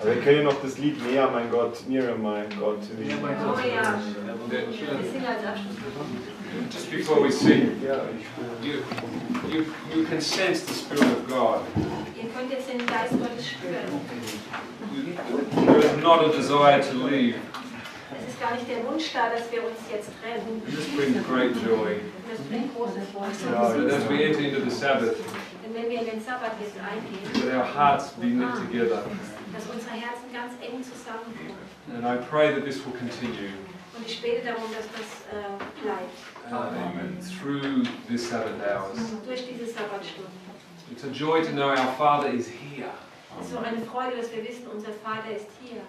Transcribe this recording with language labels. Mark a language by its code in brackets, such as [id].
[de] Amen. Wir kennen noch das Lied Näher, mein Gott, Nearer, mein Gott. Oh ja. Wir singen als Abschluss. [en] Just before we sing, you can sense the Spirit of God. [de] Ihr könnt jetzt den Geist Gottes spüren. [en] There is not a desire to leave. [de] Es ist gar nicht der Wunsch da, dass wir uns jetzt trennen. [en] This brings great joy. [de] Das bringt große Freude. [en] As we enter into the Sabbath, [de] wenn wir in den Sabbat jetzt eingehen, [en] that our hearts be knit together. [de] Dass unsere Herzen ganz eng zusammenkommen. [en] And I pray that this will continue. [de] Und ich bete darum, dass das bleibt. [en] Amen. Through this Sabbath hours. [de] Durch diese Sabbatstunden. [en] It's a joy to know our Father is here. [de] Es ist so eine Freude, dass wir wissen, unser Vater ist hier.